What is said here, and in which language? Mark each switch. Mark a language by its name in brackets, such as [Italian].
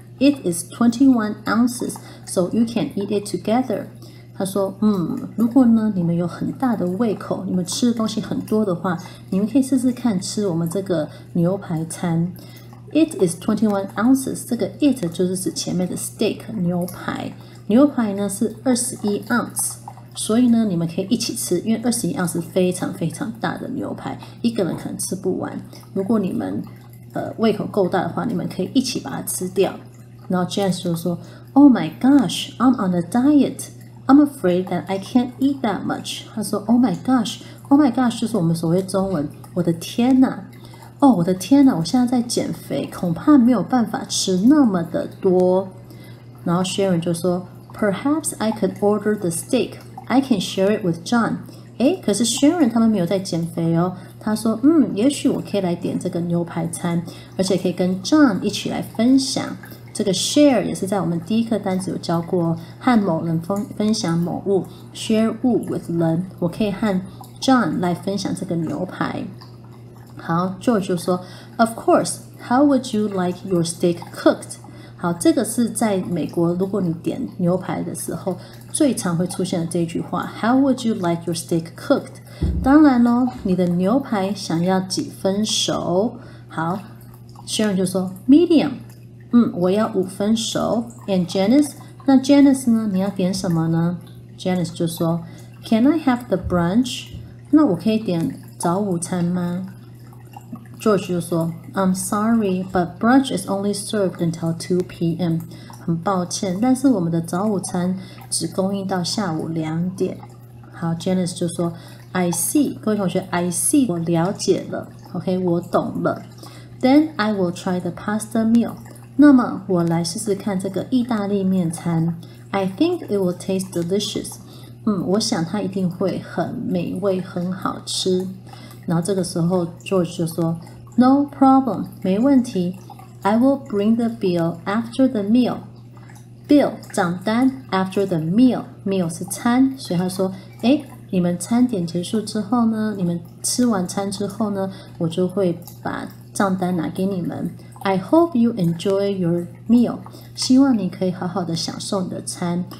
[English] It is 21 ounces, so you can eat it together. [Chinese] 他说，如果呢你们有很大的胃口，你们吃的东西很多的话，你们可以试试看吃我们这个牛排餐。 [English] It is 21 ounces， [Chinese] 这个 it 就是指前面的 steak 牛排，牛排呢是21 ounce， 所以呢你们可以一起吃，因为21 ounce 非常非常大的牛排，一个人可能吃不完，如果你们胃口够大的话，你们可以一起把它吃掉。然后 Jess 就说， [English] Oh my gosh， I'm on a dietI'm afraid that I can't eat that much. [Chinese] 他说 ， [English] Oh my gosh, Oh my gosh， [Chinese] 就是我们所谓中文，我的天哪，哦，我的天哪，我现在在减肥，恐怕没有办法吃那么的多。然后 Sharon 就说 [English] ，Perhaps I could order the steak. I can share it with John. [Chinese] 哎，可是 Sharon 他们没有在减肥哦。他说，也许我可以来点这个牛排餐，而且可以跟 John 一起来分享。这个 share 也是在我们第一课单子有教过，和某人分享某物， share 物 with 人，我可以和 John 来分享这个牛排。好， George 就说 [English] Of course, how would you like your steak cooked? [Chinese] 好，这个是在美国如果你点牛排的时候最常会出现的这句话， [English] How would you like your steak cooked? [Chinese] 当然咯，你的牛排想要几分熟。好， Sharon 就说 Medium,我要五分熟。 [English] And Janice， [Chinese] 那 Janice 呢，你要点什么呢？Janice 就说 [English] Can I have the brunch？ [Chinese] 那我可以点早午餐吗？ [English] George [Chinese] 就说 [English] I'm sorry, but brunch is only served until 2 p.m. [Chinese] 很抱歉，但是我们的早午餐只供应到下午两点。好， Janice 就说 [English] I see， [Chinese] 各位同学 I see， 我了解了， OK， 我懂了。 [English] Then I will try the pasta meal， [Chinese] 那么我来试试看这个意大利面餐。 [English] I think it will taste delicious. [Chinese] 我想它一定会很美味，很好吃。然后这个时候 George 就说 [English] No problem, [Chinese] 没问题。 [English] I will bring the bill after the meal. Bill, 账单 after the meal. [Chinese] Meal 是餐，所以他说，诶，你们餐点结束之后呢，你们吃完餐之后呢，我就会把账单拿给你们。 [English] I hope you enjoy your meal. [Chinese] 希望你可以好好的享受你的餐。